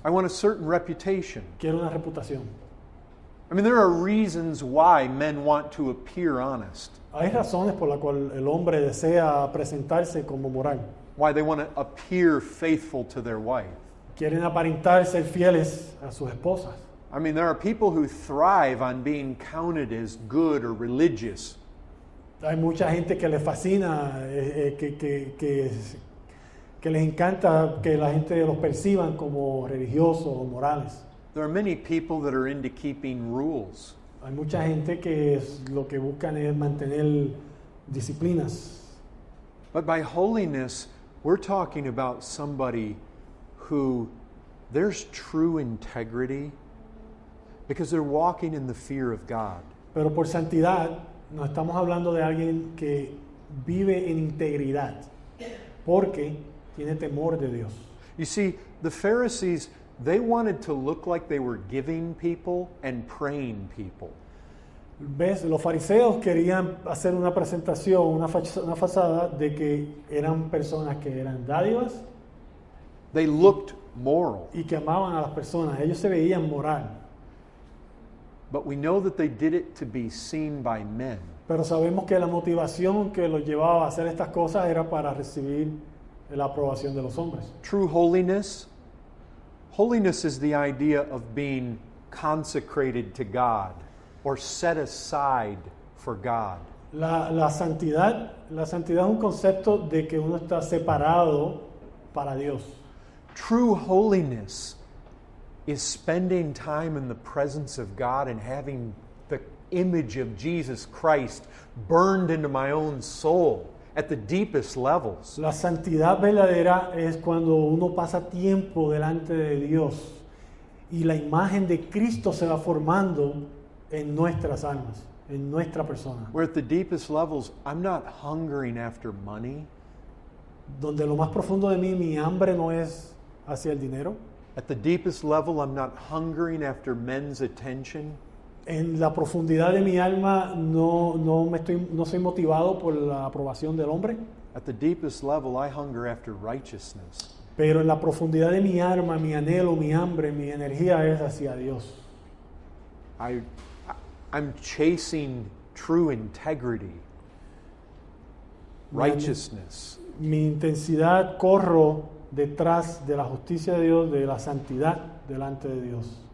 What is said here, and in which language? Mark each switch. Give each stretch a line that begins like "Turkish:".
English: I want a certain reputation.
Spanish: Quiero una reputación.
English: I mean, there are reasons why men want to appear honest.
Spanish: Hay razones por las cuales el hombre desea presentarse como moral.
English: Why they want to appear faithful to their wife.
Spanish: Quieren aparentar ser fieles a sus esposas.
English: I mean, there are people who thrive on being counted as good or religious.
Spanish: Hay mucha gente que le fascina, que les encanta que la gente los perciban como religiosos o morales.
English: There are many people that are into keeping rules.
Spanish: Hay mucha gente que lo que buscan es mantener disciplinas.
English: But by holiness, we're talking about somebody who there's true integrity because they're walking in the fear of God.
Spanish: Pero por santidad, no estamos hablando de alguien que vive en integridad porque tiene temor de Dios.
English: You see, the Pharisees, they wanted to look like they were giving people and praying people.
Spanish: ¿Ves? Los fariseos querían hacer una presentación, una fachada de que eran personas que eran dádivas.
English: They looked moral.
Spanish: Y que amaban a las personas. Ellos se veían moral.
English: But we know that they did it to be seen by men.
Spanish: Pero sabemos que la motivación que los llevaba a hacer estas cosas era para recibir la aprobación de los hombres.
English: True holiness. Holiness is the idea of being consecrated to God or set aside for God.
Spanish: La santidad es un concepto de que uno está separado para Dios.
English: True holiness is spending time in the presence of God and having the image of Jesus Christ burned into my own soul at the deepest levels.
Spanish: La santidad verdadera es cuando uno pasa tiempo delante de Dios y la imagen de Cristo se va formando en nuestras almas, en nuestra persona.
English: Where at the deepest levels, I'm not hungering after money.
Spanish: donde lo más profundo de mí, mi hambre no es hacia el dinero.
English: At the deepest level, I'm not hungering after men's attention.
Spanish: En la profundidad de mi alma, no soy motivado por la aprobación del hombre.
English: At the deepest level, I hunger after righteousness.
Spanish: Pero en la profundidad de mi alma, mi anhelo, mi hambre, mi energía es hacia Dios.
English: I'm chasing true integrity, righteousness.
Spanish: Mi intensidad corro detrás de la justicia de Dios, de la santidad delante de Dios.